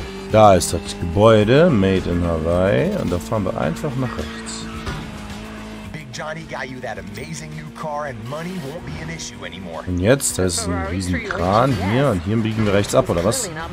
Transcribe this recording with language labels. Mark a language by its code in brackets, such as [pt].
[de] Da ist das Gebäude, [en] made in Hawaii, [de] und da fahren wir einfach nach rechts. [en] Big Johnny got you that amazing new car and money won't be an issue anymore. [de] Und jetzt, da ist ein riesen Kran hier, und hier biegen wir rechts ab, oder was?